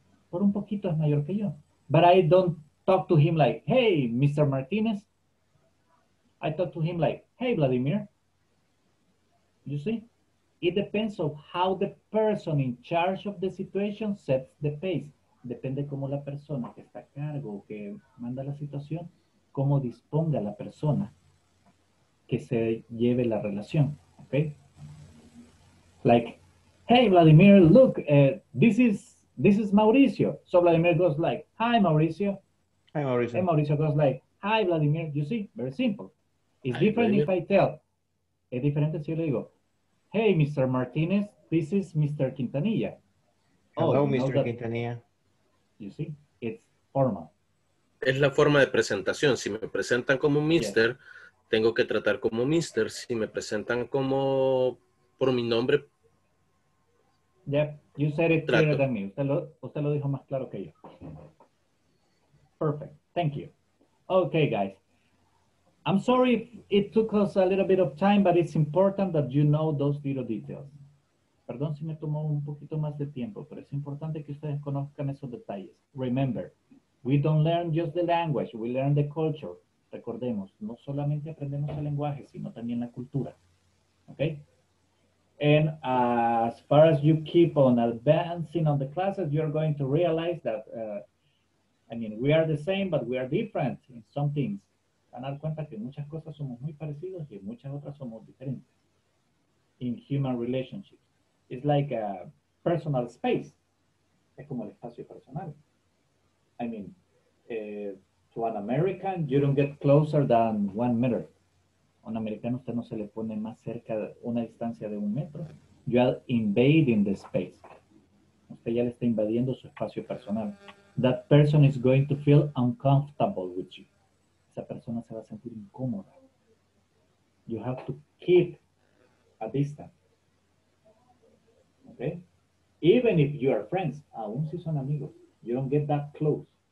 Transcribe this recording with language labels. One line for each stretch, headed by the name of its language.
Spanish: Por un poquito es mayor que yo.
English: But I don't talk to him like, hey, Mr. Martinez. I talk to him like, hey, Vladimir. You see? It depends on how the person in charge of the situation sets the pace.
Spanish: Depende cómo la persona que está a cargo, que manda la situación, cómo disponga la persona que se lleve la relación.
English: Okay? Like, hey, Vladimir, look, this is Mauricio. So Vladimir goes like, hi, Mauricio. Hi, Mauricio. And Mauricio goes like, hi, Vladimir. You see? Very simple. It's different if I tell.
Spanish: Es diferente si yo le digo, hey, Mr. Martinez,
English: this is Mr. Quintanilla. Hello, oh, Mr. That, Quintanilla. You see? It's formal.
Spanish: Es la forma de presentación. Si me presentan como Mr., yes, tengo que tratar como Mr. Si me presentan como por mi nombre.
English: Yep, you said it clearer than me.
Spanish: Usted lo dijo más claro que yo.
English: Perfect. Thank you. Okay, guys. I'm sorry if it took us a little bit of time, but it's important that you know those little details.
Spanish: Perdón si me tomó un poquito más de tiempo, pero es importante que ustedes conozcan esos detalles.
English: Remember, we don't learn just the language, we learn the culture.
Spanish: Recordemos, no solamente aprendemos el lenguaje, sino también la cultura.
English: Okay? And as far as you keep on advancing on the classes, you're going to realize that, we are the same, but we are different in some things.
Spanish: Van a dar cuenta que en muchas cosas somos muy parecidos y en muchas otras somos diferentes.
English: In human relationships. It's like a personal space.
Spanish: Es como el espacio personal.
English: I mean, to an American, you don't get closer than 1 meter.
Spanish: A un americano usted no se le pone más cerca de una distancia de 1 metro.
English: You are invading the space.
Spanish: Usted ya le está invadiendo su espacio personal.
English: That person is going to feel uncomfortable with you.
Spanish: Esa persona se va a sentir incómoda.
English: You have to keep a distance. Okay? Even if you are friends,
Spanish: aun si son amigos,
English: you don't get that close.